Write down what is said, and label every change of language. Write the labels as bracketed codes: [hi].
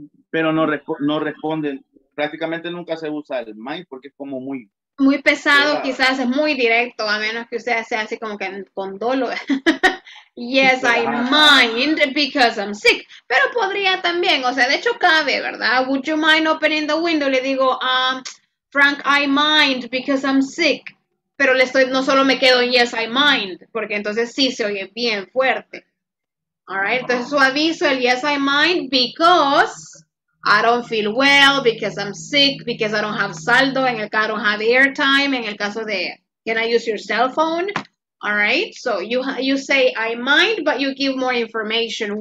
[es] Pero no responden, prácticamente nunca se usa el mind porque es como muy... Muy pesado, pesada. Quizás es muy directo, a menos que usted sea así como que con dolo. [en] Yes, I mind because I'm sick. [es] Pero podría también, o sea, de hecho cabe, ¿verdad? [en] Would you mind opening the window? [es] Le digo, [en] Frank, I mind because I'm sick. [es] Pero le estoy, no solo me quedo en [en] yes, I mind, [es] porque entonces sí se oye bien fuerte. [en] All right, [es] entonces su aviso, el [en] yes, I mind because I don't feel well, because I'm sick, because I don't have [es] saldo, en el caso [en] I don't have airtime, [es] en el caso de [en] can I use your cell phone? All right, so you say, I mind, but you give more information.